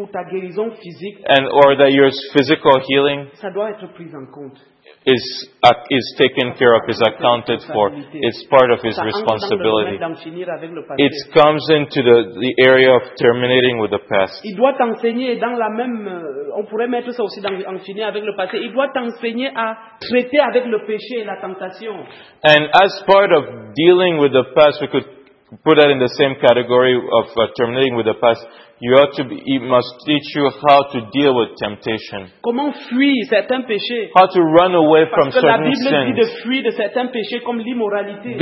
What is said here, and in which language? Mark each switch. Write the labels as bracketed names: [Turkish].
[French] ou ta guérison physique, [English] and or that your physical healing, [French] ça doit être pris en compte, [English] is taken care of, is accounted for. It's part of his responsibility. It comes into the area of terminating with the past. [French] Il doit enseigner dans la même, on pourrait mettre ça aussi dans en finir avec le passé. Il doit enseigner à traiter avec le péché et la tentation. [English] And as part of dealing with the past, we could put that in the same category of terminating with the past. You ought to be, it must teach you how to deal with temptation. [French] Comment fuir certains péchés? [English] How to run away from certain [French] sins. Parce que la Bible dit de fuir de certains péchés comme l'immoralité.